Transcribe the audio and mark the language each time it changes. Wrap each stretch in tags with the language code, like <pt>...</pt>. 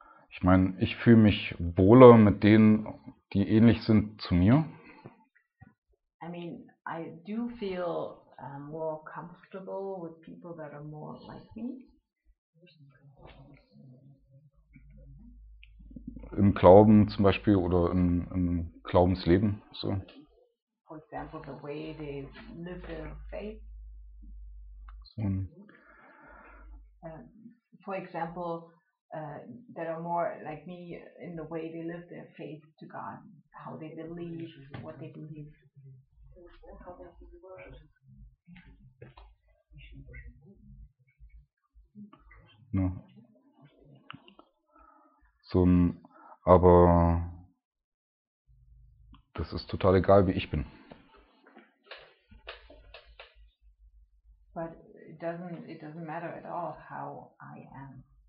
<de>Ich meine, ich fühle mich wohler mit denen, die ähnlich sind zu mir.</de> <en>I mean, I do feel more comfortable with people that are more like me.</en> <de>Im Glauben zum Beispiel oder im Glaubensleben. So.</de> <en>For example, the way they live their faith. So. For example, that are more like me in the way they live their faith to God, how they believe, what they believe. Ja.</en> <de>So, aber das ist total egal, wie ich bin.</de> <en>But it doesn't matter at all how I am.</en>